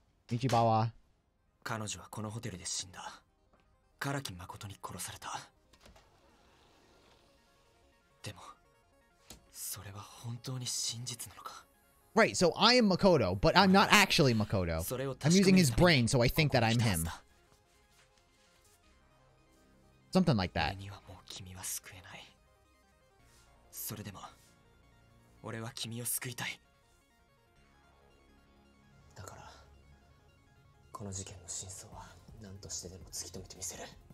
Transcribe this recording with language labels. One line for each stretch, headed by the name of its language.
Japanese: ミチバワ。彼女はこのホテルで死んだ。カラキマコトに殺された。でもそれは本当に真実なのか。
English: Right, so I am Makoto, but I'm not actually Makoto. I'm using his brain, so I think that I'm him. Something like that.
Japanese: 俺にはもう君は救えない。それでも俺は君を救いたい。だからこの事件の真相は何としてでも突き止めてみせる。